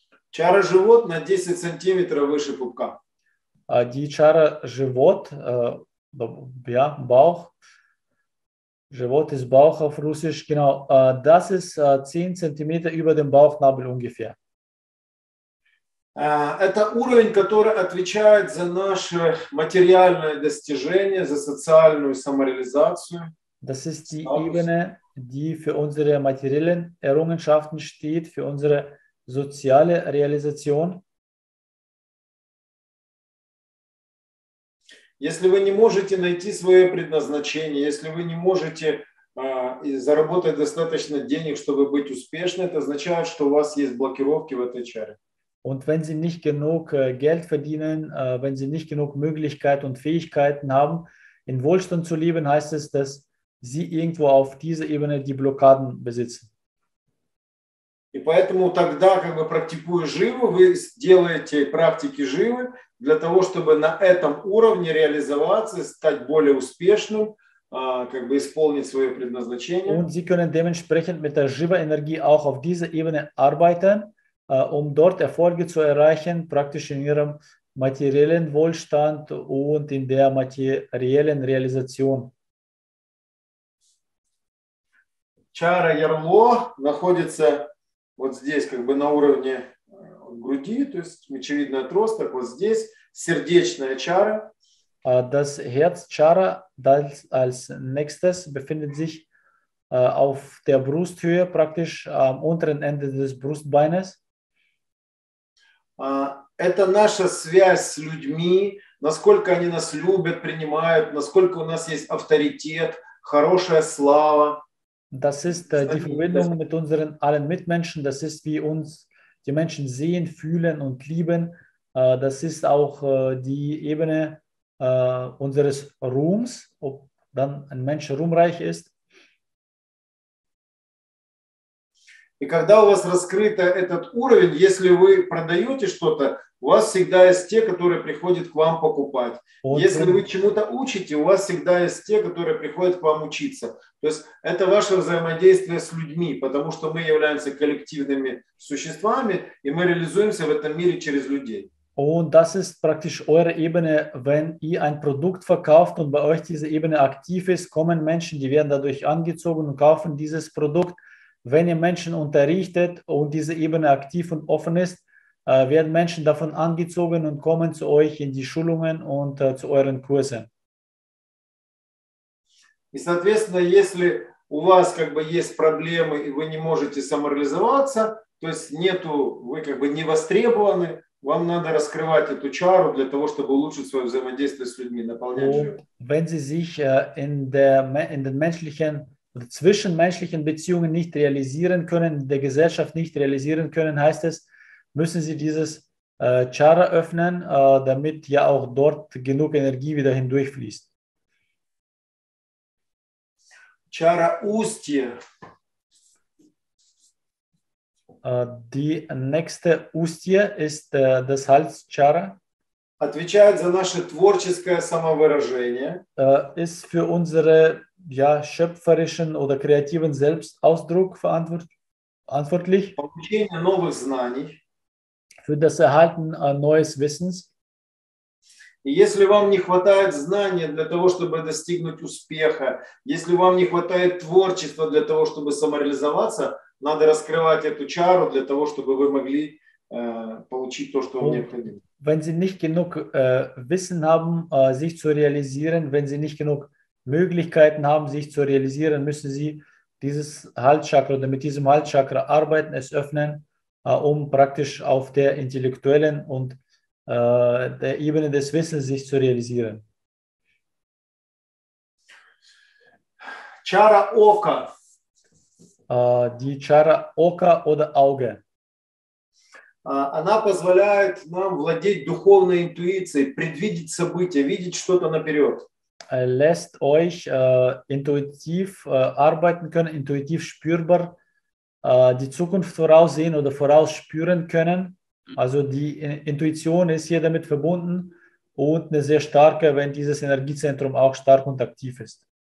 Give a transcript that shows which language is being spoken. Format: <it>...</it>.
<ru>Чара живот на 10 сантиметров выше пупка.</ru> <de>Die Chara живот, ja, Bauch. Живот ist Bauch auf Russisch, genau. Das ist 10</de> <ru>сантиметров</ru> <de>über dem Bauchnabel ungefähr.</de> <ru>Это уровень, который отвечает за наше материальное достижение, за социальную самореализацию.</ru> <de>Das ist die Ebene, die für unsere materiellen Errungenschaften steht, für unsere soziale Realisation.</de> <ru>Если вы не можете найти свое предназначение, если вы не можете заработать достаточно денег, чтобы быть успешным, это означает, что у вас есть блокировки в этой чаре.</ru> <de>Und wenn Sie nicht genug Geld verdienen, wenn Sie nicht genug Möglichkeiten und Fähigkeiten haben, in Wohlstand zu leben, heißt es, dass Sie irgendwo auf dieser Ebene die Blockaden besitzen.</de> <ru>И поэтому тогда, как бы практикуя живу, вы делаете практики живы для того, чтобы на этом уровне реализоваться, стать более успешным, как бы исполнить свое предназначение.</ru> <de>Und Sie können dementsprechend mit der Jiva-Energie auch auf dieser Ebene arbeiten, um dort Erfolge zu erreichen, praktisch in ihrem materiellen Wohlstand und in der materiellen Realisation.</de> <ru>Чара Ярло находится вот здесь, как бы на уровне груди, то есть мочевидный отросток, вот здесь сердечная чара.</ru> <de>Das Herzchara, das als nächstes befindet sich auf der Brusthöhe, praktisch am unteren Ende des Brustbeines.</de> <ru>Это наша связь с людьми, насколько они нас любят, принимают, насколько у нас есть авторитет, хорошая слава.</ru> <de>Das ist die Verbindung mit unseren allen Mitmenschen, das ist, wie uns die Menschen sehen, fühlen und lieben. Das ist auch die Ebene unseres Ruhms, ob dann ein Mensch ruhmreich ist.</de> <ru>И когда у вас раскрыт этот уровень, если вы продаете что-то, у вас всегда есть те, которые приходят к вам покупать. Und если вы чему-то учите, у вас всегда есть те, которые приходят к вам учиться. То есть это ваше взаимодействие с людьми, потому что мы являемся коллективными существами, и мы реализуемся в этом мире через людей.</ru> <de>Und das ist praktisch eure Ebene, wenn ihr ein Produkt verkauft und bei euch diese Ebene aktiv ist, kommen Menschen, die werden dadurch angezogen und kaufen dieses Produkt. Wenn ihr Menschen unterrichtet und diese Ebene aktiv und offen ist, werden Menschen davon angezogen und kommen zu euch in die Schulungen und zu euren Kursen.</de> <ru>И, соответственно, если у вас как бы есть проблемы и вы не можете самореализоваться, то есть нету, вы как бы не востребованы, вам надо раскрывать эту чару для того, чтобы улучшить свое взаимодействие с людьми, наполнять жизнь.</ru> <de>Wenn Sie sich in den menschlichen oder zwischenmenschlichen Beziehungen nicht realisieren können, in der Gesellschaft nicht realisieren können, heißt es, müssen Sie dieses Chara öffnen, damit ja auch dort genug Energie wieder hindurchfließt. Chara Ustie. Die nächste Ustie ist das Halschara.</de> <ru>Отвечает за наше творческое самовыражение.</ru> <de>Ist für unsere schöpferischen oder kreativen Selbstausdruck verantwortlich.</de> <ru>Получение новых знаний.</ru> <de>Für das Erhalten neues Wissens.</de> <ru>Если вам не хватает знания для того, чтобы достигнуть успеха, если вам не хватает творчества для того, чтобы самореализоваться, надо раскрывать эту чару для того, чтобы вы могли получить то, что вам необходимо.</ru> <de>Wenn Sie nicht genug Wissen haben, sich zu realisieren, wenn Sie nicht genug Möglichkeiten haben, sich zu realisieren, müssen Sie dieses Halschakra oder mit diesem Halschakra arbeiten, es öffnen, um praktisch auf der intellektuellen und der Ebene des Wissens sich zu realisieren. Chara Oka. Die Chara Oka oder Auge.</de> <ru>Она позволяет нам владеть духовной интуицией, предвидеть события, видеть что-то наперед.</ru> <de>Lässt euch intuitiv arbeiten können, intuitiv spürbar die Zukunft voraussehen oder vorausspüren können. Also die Intuition ist hier damit verbunden und eine sehr starke, wenn dieses Energiezentrum auch stark und aktiv ist.</de>